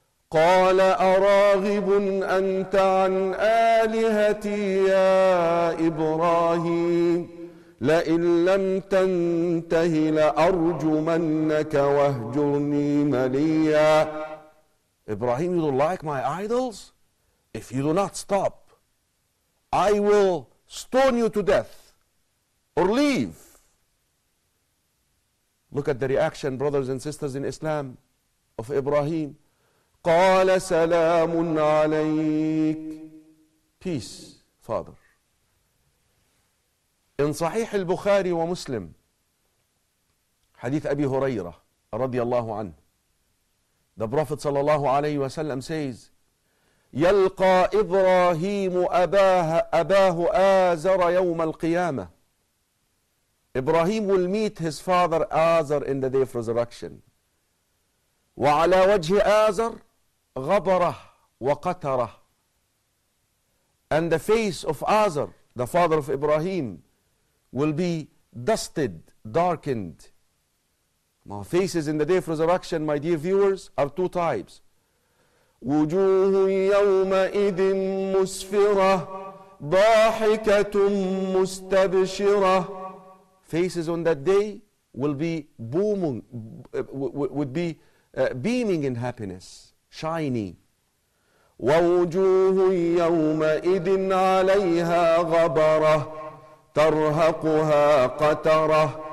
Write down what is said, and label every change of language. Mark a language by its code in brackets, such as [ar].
[ar] قال أراغب أنت عن آلهتي يا إبراهيم لئن لم تنته لأرجمنك واهجرني مليا. [en] Ibrahim, you don't like my idols? If you do not stop, I will stone you to death or leave. Look at the reaction, brothers and sisters in Islam, of Ibrahim. [ar] قال سلام عليك. [en] Peace, father. In Sahih al-Bukhari wa Muslim, Hadith Abi Huraira, [ar] رضي الله عنه, [en] the Prophet [ar] صلى الله عليه وسلم [en] says, [ar] يلقى إبراهيم أباه آزر يوم القيامة. [en] Ibrahim will meet his father Azar in the day of resurrection. [ar] وعلى وجه Azar غبره وقتره. [en] And the face of Azar, the father of Ibrahim, will be dusted, darkened. My faces in the day of resurrection, my dear viewers, are two types. [ar] وجوه يومئذ مسفرة ضاحكة مستبشرة. [en] Faces on that day will be booming, would be beaming in happiness, shiny. [ar] وَوْجُوهٌ يَوْمَئِذٍ عَلَيْهَا غَبَرَةٌ تَرْهَقُهَا قَتَرَةٌ